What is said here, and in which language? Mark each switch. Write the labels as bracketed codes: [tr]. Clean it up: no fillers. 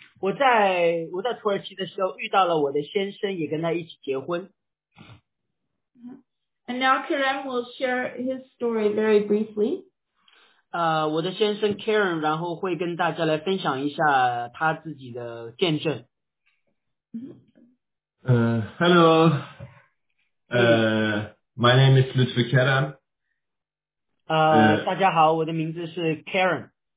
[zh] 我在土耳其的时候遇到了我的先生，也跟他一起结婚。 [en] And now Kerem will share his story very briefly. [zh] 我的先生 Kerem 然后会跟大家来分享一下他自己的见证。 [en] Hello. My name is Ludwig Kerem. [zh] 大家好，我的名字是 Kerem.